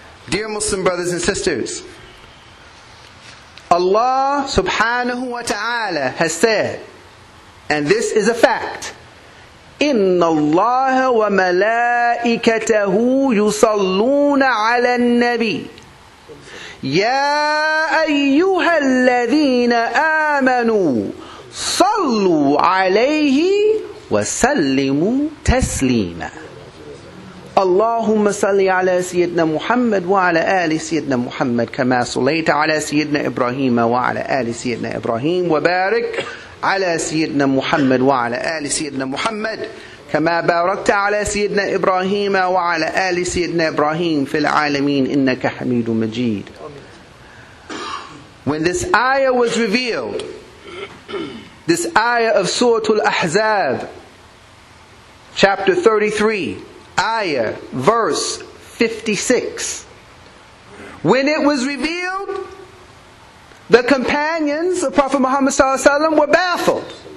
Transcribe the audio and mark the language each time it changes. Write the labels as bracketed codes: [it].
[en] Dear Muslim brothers and sisters, Allah subhanahu wa ta'ala has said, and this is a fact, [ar] إِنَّ اللَّهَ وَمَلَائِكَتَهُ يُصَلُّونَ عَلَى النَّبِيِّ يَا أَيُّهَا الَّذِينَ آمَنُوا صَلُّوا عَلَيْهِ وَسَلِّمُوا تَسْلِيمًا. اللهم صل على سيدنا محمد وعلى آل سيدنا محمد كما صليت على سيدنا إبراهيم وعلى آل سيدنا إبراهيم وبارك على سيدنا محمد وعلى آل سيدنا محمد كما باركت على سيدنا إبراهيم وعلى آل سيدنا إبراهيم في العالمين إنك حميد مجيد. [en] When this ayah was revealed, this ayah of Surah Al-Ahzab, chapter 33, ayah, verse 56, when it was revealed, the companions of Prophet Muhammad sallallahu alaihi wasallam were baffled.